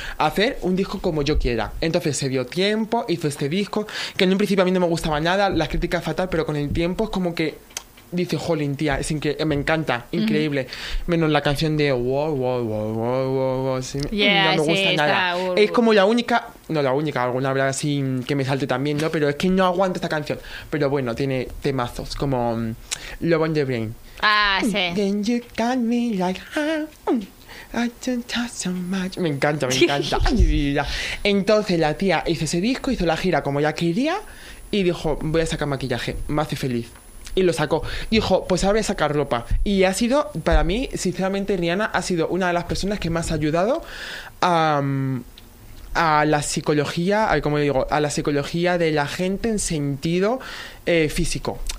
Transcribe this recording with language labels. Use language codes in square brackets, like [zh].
[es] Hacer un disco como yo quiera. Entonces se dio tiempo, hizo este disco, que en un principio a mí no me gustaba nada, las críticas fatal, pero con el tiempo es como que dice, jolín, tía, es increíble, me encanta, increíble. Uh-huh. Menos la canción de wow, sí, yeah, no me gusta sí, nada. Es como la única, no la única, alguna habrá así que me salte también, ¿no? Pero es que no aguanto esta canción. Pero bueno, tiene temazos como Love on the Brain. Ah, sí. [en] Then you got me like, I don't talk so much. [es] Me encanta. Mi vida. Entonces la tía hizo ese disco, hizo la gira como ella quería y dijo, voy a sacar maquillaje, me hace feliz. Y lo sacó. Dijo, pues ahora voy a sacar ropa. Y ha sido, para mí, sinceramente, Rihanna ha sido una de las personas que más ha ayudado a la psicología, a la psicología de la gente en sentido físico.